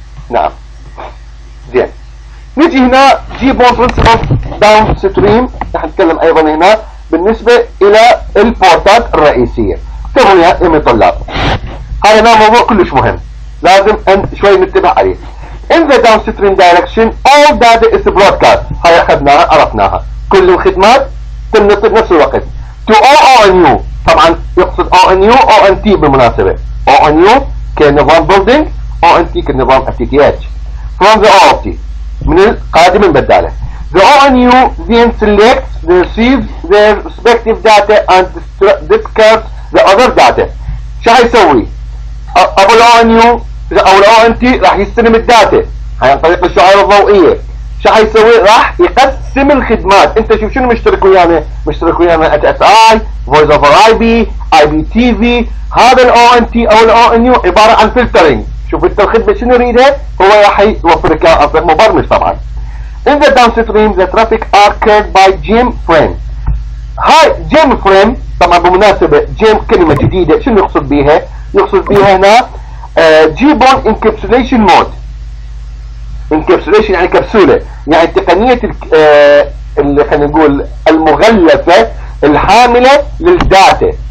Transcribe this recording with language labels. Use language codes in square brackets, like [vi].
[ar] نعم زين نجي هنا G-Bone Principle Downstream راح نتكلم أيضا هنا بالنسبة إلى البورتات الرئيسية. تبعوا يا أمي طلاب هذا موضوع كلش مهم لازم أن شوي نتبع عليه. [en] In the downstream direction all data is broadcast [ar] هاي أخذناها عرفناها كل الخدمات تنطب نفس الوقت to ONU طبعا يقصد ONU ONT بالمناسبة ONU كنظام building ONT كنظام FTTH from the OLT من القادم البدالة. [en] The ONU then selects the receives their respective data and discards the other data. [ar] شو حيسوي؟ أبو الـ ONU أو الـ ONT راح يستلم الداتا هاي عن طريق الشعيرة الضوئية. شو حيسوي؟ راح يقسم الخدمات. أنت شوف شنو مشترك ويانا؟ مشترك ويانا HSI, Voice over IP, IPTV. هذا الـ ONT أو الـ ONU عبارة عن filtering. شوف أنت الخدمة شنو يريدها؟ هو راح يوفر لك عن طريق مبرمج طبعاً. [en] In the downstream, the traffic are carried by gem frame. [ar] هاي gem frame طبعا بمناسبة gem كلمة جديدة شو نقصد بيها؟ يقصد بيها هنا G-Bone encapsulation mode. encapsulation يعني كبسولة يعني تقنية اللي خلينا نقول المغلفة الحاملة للداتا.